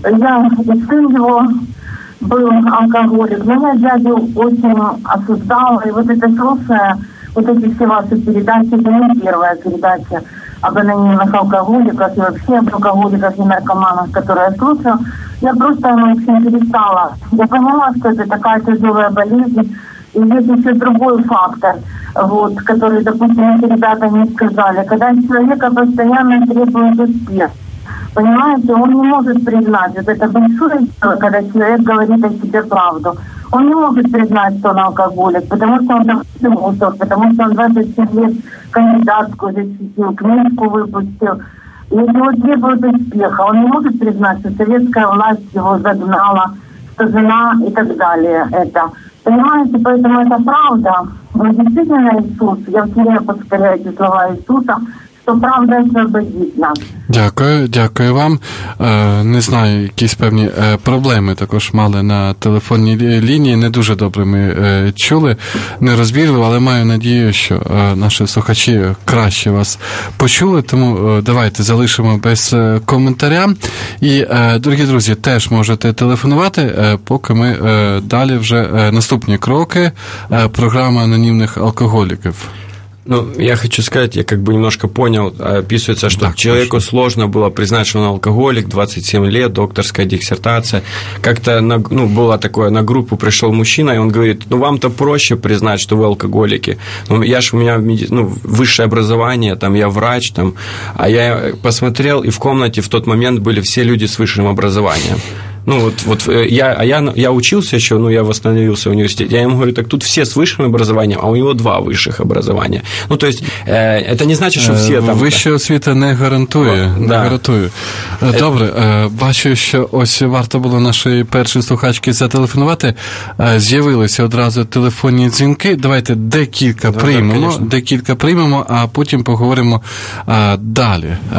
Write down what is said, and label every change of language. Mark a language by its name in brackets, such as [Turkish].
[Ukrainian] Я і син його був алкоголік. Мене дядю дуже осуждав, і ось це слово, [Russian] вот эти все ваши передачи, это не первая передача об анонимных алкоголиках и вообще об алкоголиках и наркоманах, которые я слушаю. Я просто перестала. Я поняла, что это такая тяжелая болезнь. И есть еще другой фактор, вот, который, допустим, эти ребята не сказали. Когда человека постоянно требует успех. Понимаете, он не может признать. Вот это большое дело, когда человек говорит о себе правду. Он не может признать, что он алкоголик, потому что он допустим усов, потому что он 27 лет кандидатскую защитил, книжку выпустил. И у него требует успеха. Он не может признать, что советская власть его загнала, что жена и так далее. Это. Понимаете, поэтому это правда. Но действительно Иисус, я все время повторяю эти слова Иисуса, то правда освободить. [Ukrainian] Дякую, дякую вам. Не знаю, якісь певні проблеми також мали на телефонній лінії, не дуже добре ми чули, не розбірили, але маю надію, що наші слухачі краще вас почули, тому давайте залишимо без коментаря. І, дорогі друзі, теж можете телефонувати, поки ми далі вже наступні кроки програми анонімних алкоголіків. [Russian] Ну, я хочу сказать, я как бы немножко понял, описывается, что так, человеку хорошо. Сложно было признать, что он алкоголик, 27 лет, докторская диссертация. Как-то, было такое, на группу пришел мужчина, и он говорит, ну, вам-то проще признать, что вы алкоголики. Ну, я ж, у меня высшее образование, там, я врач, там. А я посмотрел, и в комнате в тот момент были все люди с высшим образованием. Ну, я учился еще, я восстановился в университете. Я ему говорю, так тут все с высшим образованием, а у него два высших образования. Ну, то есть, это не значит, что все там... [Ukrainian] Высшая освіта не гарантує. Да. Не гарантує. Добре, бачу, що ось варто було нашої першої слухачки зателефонувати. З'явилися одразу телефонні дзвінки. Давайте декілька приймемо, а потім поговоримо далі.